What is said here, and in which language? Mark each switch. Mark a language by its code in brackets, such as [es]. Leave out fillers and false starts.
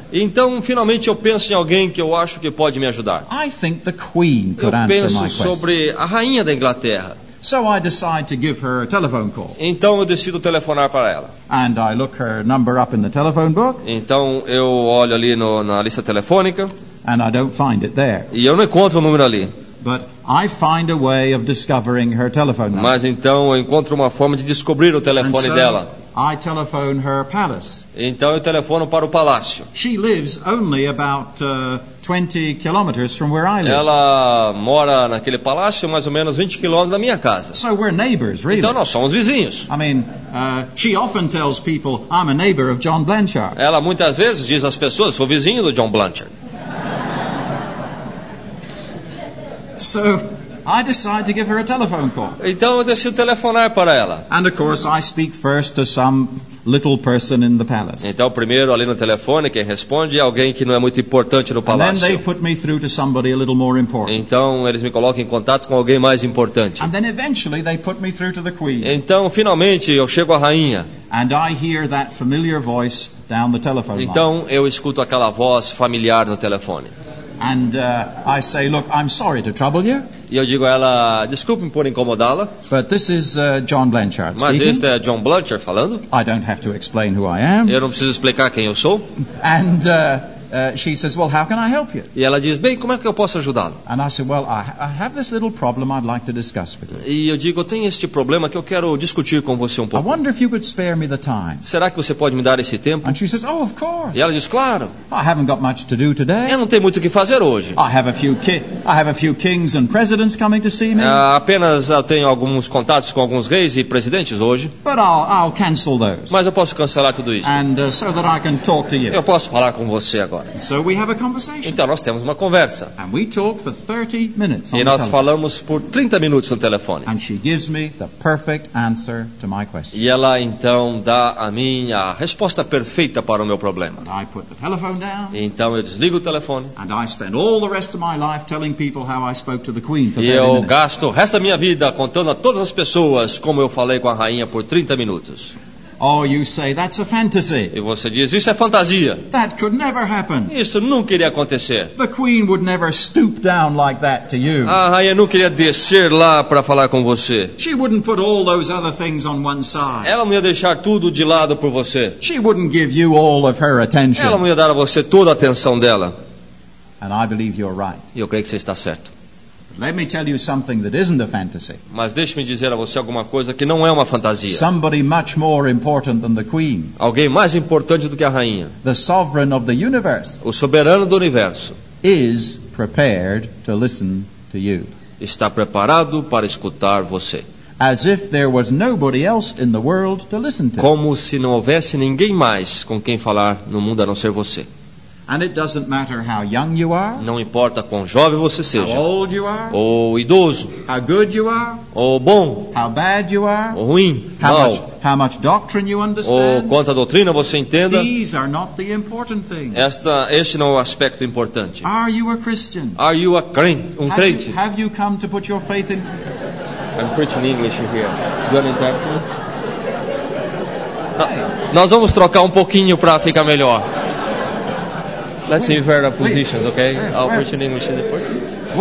[pt] Então, finalmente, eu penso em alguém que eu acho que pode me ajudar. [en] I think the Queen could answer my question. [pt] Eu penso sobre a rainha da Inglaterra. [en] So I decide to give her a telephone call. [pt] Então eu decido telefonar para ela. [en] And I look her number up in the telephone book. [pt] Então eu olho ali no, na lista telefônica. [en] And I don't find it there. [pt] E eu não encontro o número ali. [en] But I find a way of discovering her telephone number. [pt] Mas então eu encontro uma forma de descobrir o telefone dela. [en] I telephone her palace. [pt] Então eu telefono para o palácio. [en] She lives only about 20 kilometers from where I live. [pt] Ela mora naquele palácio mais ou menos 20 quilômetros da minha casa. [en] So we're neighbors, really. [pt] Então nós somos vizinhos. [en] I mean, she often tells people I'm a neighbor of John Blanchard. [pt] Ela muitas vezes diz às pessoas sou vizinho do John Blanchard. [en] So I decide to give her a telephone call. [pt] Então eu decido telefonar para ela. [en] And of course I speak first to some little person in the palace. [pt] Então primeiro ali no telefone quem responde é alguém que não é muito importante no palácio. [en] And then they put me through to somebody a little more important. [pt] Então eles me colocam em contato com alguém mais importante. [en] And then eventually they put me through to the queen. [pt] Então finalmente eu chego à rainha. [en] And I hear that familiar voice down the telephone line. [pt] Então eu escuto aquela voz familiar no telefone. [en] And I say, look, I'm sorry to trouble you. [pt] E eu digo a ela, desculpe-me por incomodá-la. [en] But this is John Blanchard speaking. [pt] Mas este é John Blanchard falando. [en] I don't have to explain who I am. [pt] Eu não preciso explicar quem eu sou. [en] And she says, well, how can I help you? [pt] E ela diz, bem, como é que eu posso ajudá-la? [en] And I said, well, I have this little problem I'd like to discuss with you. [pt] E eu digo, eu tenho este problema que eu quero discutir com você pouco. [en] I wonder if you could spare me the time. [pt] Será que você pode me dar esse tempo? [en] And she says, oh, of course. [pt] E ela diz, claro. [en] I haven't got much to do today. [pt] Eu não tenho muito o que fazer hoje. [en] I have a few kings and presidents coming to see me. [pt] Apenas eu tenho alguns contatos com alguns reis e presidentes hoje. [en] But I'll cancel those. [pt] Mas eu posso cancelar tudo isso. [en] And so that I can talk to you. [pt] Eu posso falar com você agora. [en] So we have a conversation. [pt] Então nós temos uma conversa. [en] And we talk for 30 minutes on [pt] e nós falamos por 30 minutos no telefone. [en] And she gives me the perfect answer to my question. [pt] E ela então dá a minha resposta perfeita para o meu problema. [en] And I put the telephone down. [pt] E então eu desligo o telefone. [en] And I spend all the rest of my life telling people how I spoke to the Queen for minutes. [pt] E eu gasto o resto da minha vida contando a todas as pessoas como eu falei com a rainha por 30 minutos. [en] Oh, you say that's a fantasy. [pt] E você diz isso é fantasia. [en] That could never happen. [pt] Isso nunca iria acontecer. [en] The queen would never stoop down like that to you. [pt] A rainha nunca iria descer lá para falar com você. [en] She wouldn't put all those other things on one side. [pt] Ela não ia deixar tudo de lado por você. [en] She wouldn't give you all of her attention. [pt] Ela não ia dar a você toda a atenção dela. [en] And I believe you're right. [pt] Eu creio que você está certo. [en] Let me tell you something that isn't a fantasy. [pt] Mas deixe-me dizer a você alguma coisa que não é uma fantasia. [en] Somebody much more important than the queen. [pt] Alguém mais importante do que a rainha. [en] The sovereign of the universe. [pt] O soberano do universo. [en] Is prepared to listen to you. [pt] Está preparado para escutar você. [en] As if there was nobody else in the world to listen to. [pt] Como se não houvesse ninguém mais com quem falar no mundo a não ser você. [en] And it doesn't matter how young you are. [pt] Não importa quão jovem você seja. [en] How old you are. [pt] Ou idoso. [en] How good you are. [pt] Ou bom. [en] How bad you are. [pt] Ou ruim. [en] How much doctrine you understand. [pt] Ou quanta doutrina você entenda. [en] These are not the important things. [pt] Este não é o aspecto importante. [en] Are you a Christian? Are you a crente? Crente? Have you come to put your faith in? I'm preaching English here. Do you want to interpret? [pt] Nós vamos trocar pouquinho para ficar melhor. [en] Let's invert our positions, okay? I'll preach in English in the Portuguese.